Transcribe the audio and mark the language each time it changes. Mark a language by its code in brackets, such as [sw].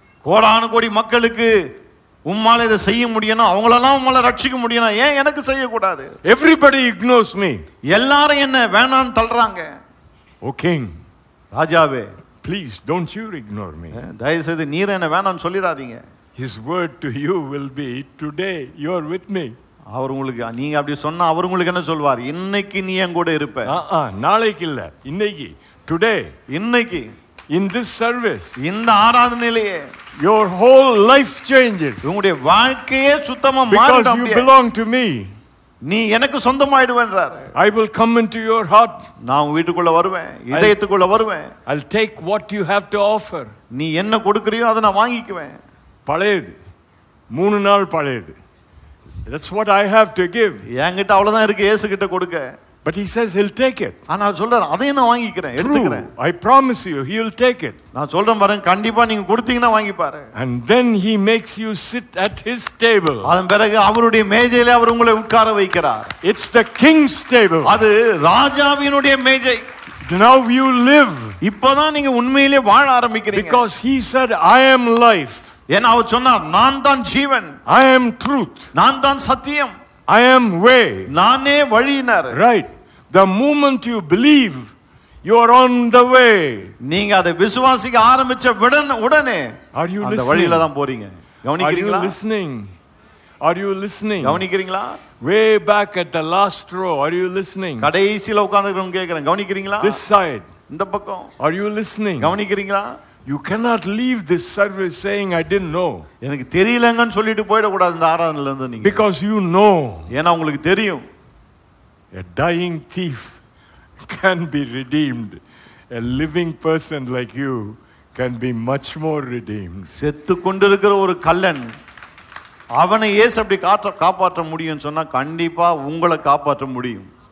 [ta] கோடான கோடி மக்களுக்கு உம்மால இதை செய்ய முடியணும், அவங்களெல்லாம் உம்மால ரட்சிக்க முடியணும், ஏன் எனக்கு செய்யக்கூடாது? [en] Everybody ignores me. [ta] எல்லாரும் என்ன வேணாம்னு தள்ளுறாங்க. [en] O King, [ta] ராஜாவே, [en] please don't you ignore me. [ta] தயவு செய்து நீர் என்ன வேணாம் சொல்லிராதீங்க. [en] His word to you will be today you are with me. [ta] அவங்களுக்கு நீங்க அப்படி சொன்னா அவங்களுக்கு என்ன சொல்வார்? இன்னைக்கு நீ என் கூட இருப்ப. நாளைக்கு இல்ல, இன்னைக்கு. [en] Today, [ta] இன்னைக்கு. [en] In this service, [ta] இந்த ஆராதனையிலே [en] your whole life changes. [ta] உங்களுடைய வாழ்க்கையே சுத்தமா மாறும். [en] Because you belong to me. [ta] நீ எனக்கு சொந்தமாயிடுவேன்றார். [en] I will come into your heart. [ta] நான் வீட்டுக்குள்ள வருவேன், இதயத்துக்குள்ள வருவேன். [en] I'll take what you have to offer. [ta] நீ என்ன கொடுக்கறியோ அதை நான் வாங்கிக்குவேன். பழையது, மூணு நாள் பழையது. [en] That's what I have to give. [ta] என்கிட்ட அவ்வளவுதான் இருக்கு இயேசு கிட்ட கொடுக்க. [en] But he says he'll take it. [ta] ஆனா சொல்றாரு, அதையும் நான் வாங்கிக்கிறேன், எடுத்துக்கிறேன். [en] I promise you, he'll take it. [ta] நான் சொல்றேன் பாருங்க, கண்டிப்பா நீங்க கொடுத்தீங்கன்னா வாங்கிப்பாரு. [en] And then he makes you sit at his table. [ta] அதன் பிறகு அவருடைய மேஜையில அவர் உங்களை உட்கார வைக்கிறார். [en] It's the king's table. [ta] அது ராஜாவினுடைய மேஜை. [en] Now you live. [ta] இப்பதான் நீங்க உண்மையிலேயே வாழ ஆரம்பிக்கிறீங்க. [en] Because he said, I am life. [ta] ஏன்னா அவர் சொன்னார், நான் தான் ஜீவன். [en] I am truth. [ta] நான் தான் சத்தியம். [en] I am way. [ta] நானே வழியினர். [en] Right. The moment you believe, you are on the way. [ta] நீங்க அதை விசுவாசிக்க ஆரம்பிச்ச உடனே [en] are you [ta] அந்த வழியில தான் போறீங்க. கவனிக்கிறீங்களா? [en] Are you listening? Are you listening? [ta] கவனிக்கிறீங்களா? [en] Way back at the last row, are you listening? [ta] கடைசில உட்கார்ந்திருக்கிறவங்க கேக்குறாங்க, கவனிக்கிறீங்களா? [en] This side. [ta] இந்த பக்கம். [en] Are you listening? [ta] கவனிக்கிறீங்களா? [en] You cannot leave this service saying I didn't know. [ta] எனக்கு தெரியலங்கன்னு சொல்லிட்டு போய்ட கூடாது இந்த ஆராதனையில இருந்து நீங்க. [en] Because you know. [ta] ஏனா உங்களுக்கு தெரியும். [en] A dying thief can be redeemed. A living person like you can be much more redeemed. [ta] செத்து கொண்டிருக்கிற ஒரு கள்ளன் அவனை இயேசு அப்படி காப்பாற்ற முடியும்னு சொன்னா கண்டிப்பா உங்களை காப்பாற்ற முடியும்.